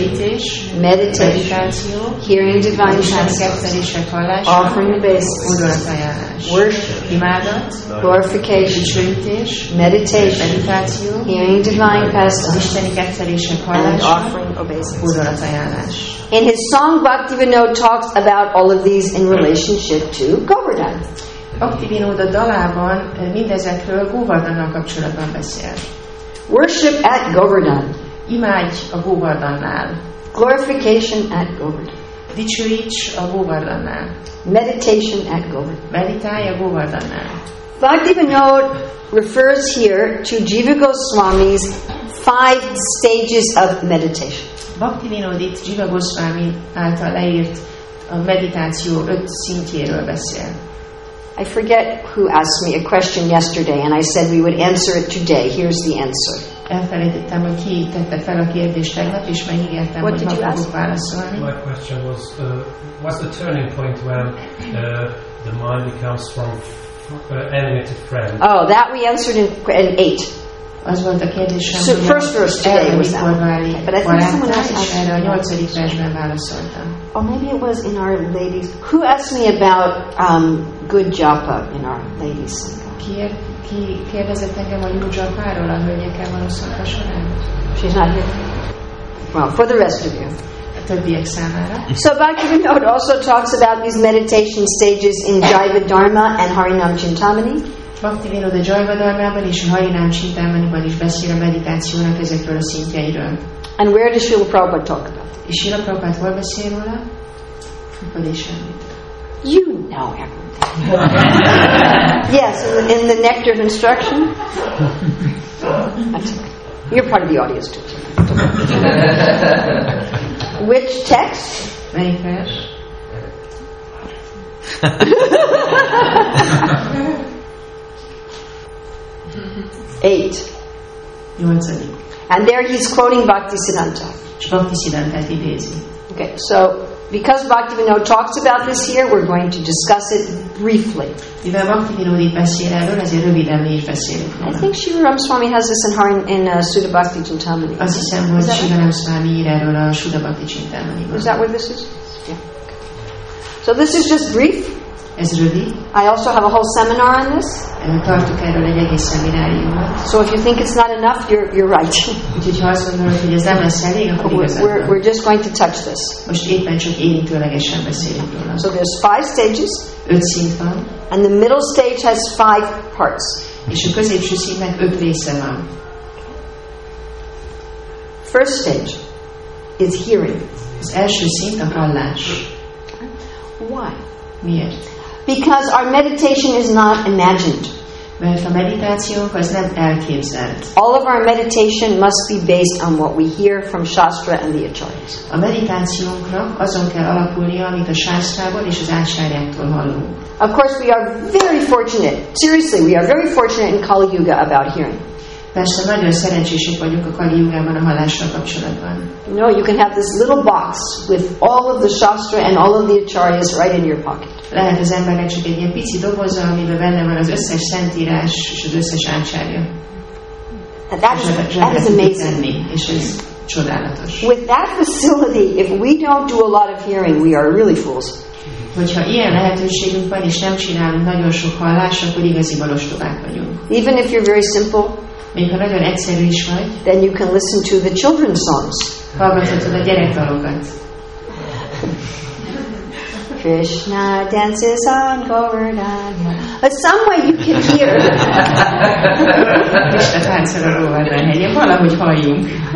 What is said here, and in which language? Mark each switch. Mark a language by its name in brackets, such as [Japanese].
[Hungarian] dicsőítés, [English] meditáció, hearing divine passages, [Hungarian] isteni kedvelések hallása, [English] offering obeisance, [Hungarian] hódolat ajánlás. [English] Worship, [Hungarian] imádat, [English] glorification, [Hungarian] dicsőítés, meditáció, meditáció, [English] hearing divine passages, [Hungarian] isteni kedvelések hallása, [English] offering obeisance, [Hungarian] hódolat ajánlás. [English] In his song, Bhaktivinoda talks about all of these in relationship to Govardhan. [Hungarian] Bhaktivinoda dalában mindezekről Govardhannal kapcsolatban beszél. [English] Worship at Govardhan. [Hungarian] Imádj a Govardhannál. [English] Glorification at Govardhan. [Hungarian] Dicsőíts a Govardhannál. [English] Meditation at Govardhan. [Hungarian] Meditálj a Govardhannál. [English] Bhaktivinoda refers here to Jiva Goswami's five stages of meditation. [Hungarian] Bhaktivinoda itt Jiva Goswami által leírt a meditáció öt szintjéről beszél. [English] I forget who asked me a question yesterday, and I said we would answer it today. Here's the answer. [Hungarian] Elfelejtettem, hogy ki tette fel a kérdést tegnap, és megígértem, hogy ma fogok válaszolni. [English] My question was, what's the turning point when the mind becomes from animated friend? Oh, that we answered in 8. [Hungarian] Az volt a kérdés, [English] so first verse today was that. But I think someone asked me. Or maybe it was in our ladies. Who asked me about good japa in our ladies? [Hungarian] Ki kérdezett engem a jó japáról a hölgyekkel való szanka során? [English] She's not here. Well, for the rest of you. [Hungarian] A többiek számára. [English] So Bhaktivinoda also talks about these meditation stages in Jiva Dharma and Harinam Chintamani. [Hungarian] Bhaktivinoda Jiva Dharmában és Harinam Chintamaniban is beszél a meditációnak ezekről a szintjeiről. [English] And where does Srila Prabhupada talk about? [Hungarian] És Srila Prabhupada hol beszél róla? [English] You know everything. Yes, in the nectar of instruction. That's okay. You're part of the audience too. Which text? [Hungarian] Melyik vers? [English] Eight. [Hungarian] Nyolcadik. [English] And there he's quoting Bhaktisiddhanta. [Hungarian] Bhaktisiddhantát idézi. [English] Okay, so because Bhaktivinoda talks about this here, we're going to discuss it briefly. [Hungarian] Mivel Bhaktivinoda itt beszél erről, ezért röviden mi is beszélünk. [English] I think Srila Ramaswami has this in Sutta Bhakti Chintamani. [Hungarian] Azt hiszem, hogy Srila Ramaswami ír erről a Sutta Bhakti Chintamani. [English] Is that where this is? Yeah. So this is just brief. [Hungarian] Ez rövid. [English] I also have a whole seminar on this. [Hungarian] Tartok erről egy egész szemináriumot. [English] So if you think it's not enough, you're right. [Hungarian] Úgyhogy ha azt mondod, hogy ez nem lesz elég, akkor igazad. [English] We're just going to touch this. [Hungarian] Most éppen csak érintőlegesen beszélünk róla. [English] So there's five stages. [Hungarian] Öt szint van. [English] And the middle stage has five parts. [Hungarian] És a középső szintnek öt része van. [English] First stage is hearing. [Hungarian] Az első szint a hallás. [English] Why? [Hungarian] Miért? [English] Because our meditation is not imagined. [Hungarian] Mert a meditációnk az nem elképzelt. [English] All of our meditation must be based on what we hear from Shastra and the Acharyas. [Hungarian] A meditációnknak azon kell alapulnia, amit a Sástrából és az Ácsárjáktól hallunk. [English] Of course we are very fortunate. Seriously, we are very fortunate in Kali Yuga about hearing. [Hungarian] Persze nagyon szerencsések vagyunk a Kali Yugában a hallással kapcsolatban. [English] No, you can have this little box with all of the Shastra and all of the Acharyas right in your pocket. [Hungarian] Lehet az embernek csak egy ilyen pici doboza, amiben benne van az összes szentírás és az összes Ácsárja. [English] That is amazing. [Hungarian] És ez csodálatos. [English] With that facility, if we don't do a lot of hearing, we are really fools. [Hungarian] Hogyha ilyen lehetőségünk van, és nem csinálunk nagyon sok hallást, akkor igazi balostobák vagyunk. [English] Even if you're very simple, [Hungarian] még ha nagyon egyszerű is vagy, [English] then you can listen to the children's songs. [Hungarian] Hallgathatod a gyerekdalokat. [English] Krishna dances on Govardhana. But some way you can hear. [Hungarian] Krishna táncol a Govardhanahegyen. Valahogy halljunk.